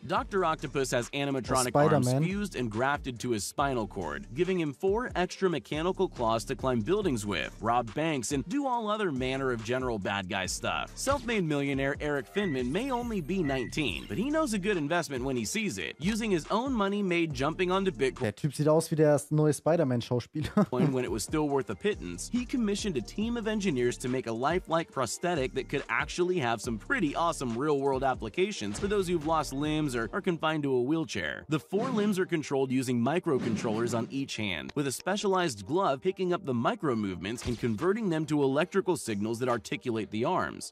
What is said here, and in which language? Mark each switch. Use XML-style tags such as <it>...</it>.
<en>Dr. Octopus has animatronic arms fused and grafted to his spinal cord, giving him 4 extra mechanical claws to climb buildings with, rob banks, and do all other manner of general bad guy stuff. Self-made millionaire Eric Finman may only be 19, but he knows a good investment when he sees it. Using his own money made jumping onto Bitcoin.</en> <de>Der Typ sieht aus wie der neue Spider-Man Schauspieler.</de> <en>When it was still worth a pittance, he commissioned a team of engineers to make a lifelike prosthetic that could actually have some pretty awesome real-world applications for those who've lost limbs or are confined to a wheelchair. The 4 limbs are controlled using microcontrollers on each hand, with a specialized glove picking up the micro-movements and converting them to electrical signals that articulate the arms.</en>